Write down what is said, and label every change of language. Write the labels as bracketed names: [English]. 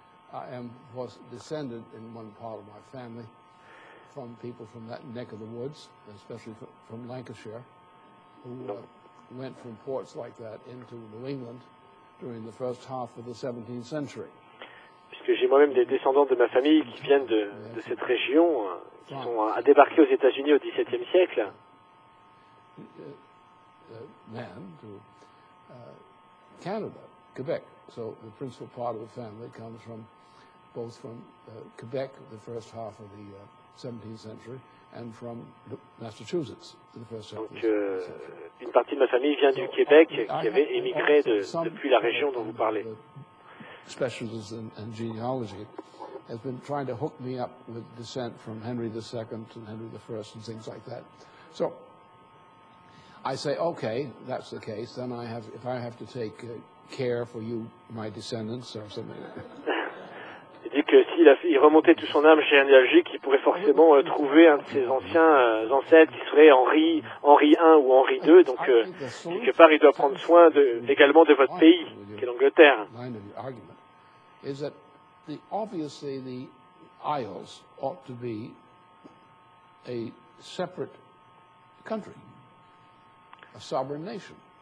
[English] I am was descended in one part of my family from people from that neck of the woods, especially from Lancashire, who went from ports like that into New England during the first half of the 17th century. [French] Puisque j'ai moi-même des descendants de ma famille qui viennent de cette région, qui sont à débarquer aux États-Unis au XVIIe siècle. [English] Man to Canada, Quebec. So the principal part of the family comes from both from Quebec, the first half of the 17th century, and from Massachusetts, the first half of the 17th century. [French] Une partie de ma famille vient du Québec, qui avait émigré depuis la région dont vous parlez. [English] Specialists in genealogy has been trying to hook me up with descent from Henry II to Henry I and things like that. So I say, okay, that's the case. Then if I have to take care for you, my descendants, or something. [French] Que s'il remontait tout son âme généalogique, il pourrait forcément trouver un de ses anciens ancêtres qui serait Henri I ou Henri II. Donc, quelque part, il doit prendre soin également de votre pays, qui est l'Angleterre. L'argument est que, évidemment, les îles devraient être un pays séparé, une souveraine nation.